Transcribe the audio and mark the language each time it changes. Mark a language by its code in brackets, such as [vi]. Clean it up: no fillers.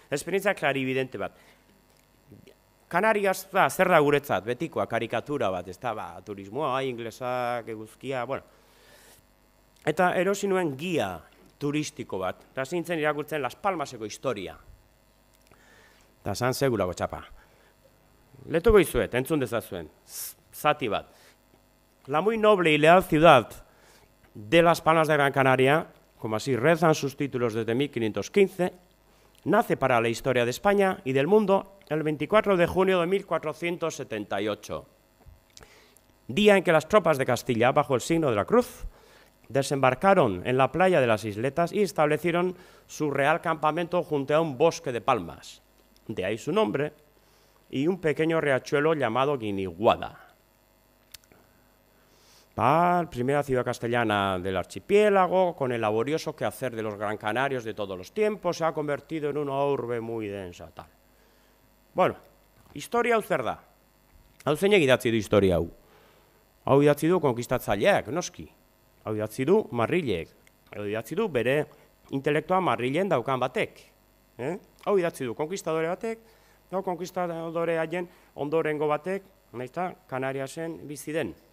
[eu] Esperientzia klarividente bat. Kanarias da, zer da guretzat, betikoa, karikatura bat, ez da, ba, turismoa, ah, inglesak, eguzkia, bueno. Eta erosi nuen gia turistiko bat, eta zintzen irakurtzen Las Palmaseko historia. Eta zan segulako txapa. Letu goizuet, entzun dezazuen, zati bat. [es] La muy noble y leal ciudad de Las Palmas de Gran Canaria, como así rezan sus títulos desde 1515, nace para la historia de España y del mundo el 24 de junio de 1478, día en que las tropas de Castilla, bajo el signo de la cruz, desembarcaron en la playa de las Isletas y establecieron su real campamento junto a un bosque de palmas. De ahí su nombre y un pequeño riachuelo llamado Guiniguada. Primera ciudad castellana del archipiélago, con el laborioso quehacer de los gran canarios de todos los tiempos, se ha convertido en una urbe muy densa. Tal. [eu] Bueno, historia hau zer da. Hau zeinek idatzi du historia hau. Hau idatzi du konkistatzaileak, noski. Hau idatzi du Marrillek. Hau idatzi du bere intelektua Marrillen daukan batek. Hau idatzi du konkistadore batek, hau konkistadore haien ondorengo batek, nahizta, Kanariasen bizi den.